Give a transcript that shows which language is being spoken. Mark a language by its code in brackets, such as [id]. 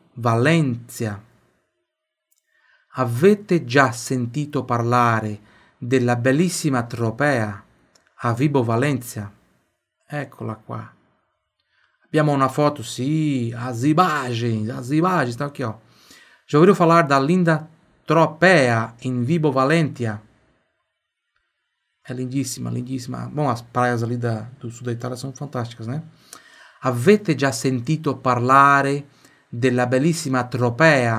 [it] Valencia. Avete già sentito parlare della bellissima tropea a Vibo Valencia? Eccola qua. Abbiamo una foto, sì, [pt] as imagens, [it] sta qui, ó. [pt] Já ouviu falar da linda tropea em Vibo Valentia? É lindíssima, lindíssima. Bom, as praias ali do sul da Itália são fantásticas, né? [it] Avete già sentito parlare della bellissima tropea?